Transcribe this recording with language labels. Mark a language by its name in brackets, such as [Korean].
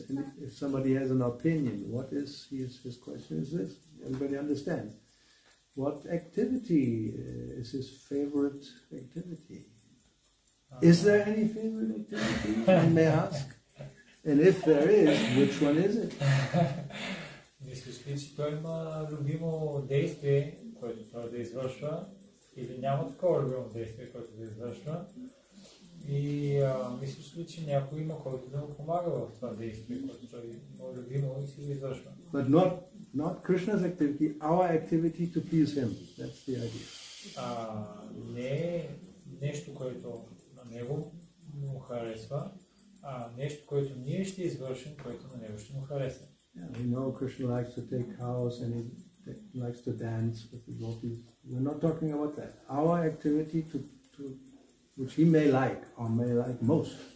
[English] And if somebody has an opinion, what is his question is this? Everybody understand? What activity is his favorite activity? Is there any favorite activity, I may ask? And if there is, which one is it? [Bulgarian] Мисля, че той има любимо действие, което трябва да извършва, или няма такова любимо действие, което да извършва. И мисля, че някой има, който да му помага в това действие, което той има любимо и си го извършва. [English] But not Krishna's activity, our activity to please him. That's the idea. [Bulgarian] Не нещо, което него му харесва, а нещо, което ние ще извършим, което на него ще му хареса. [English] Yeah, we know Krishna likes to take cows and he likes to dance with the gopis. We're not talking about that. Our activity to which he may like or may like most.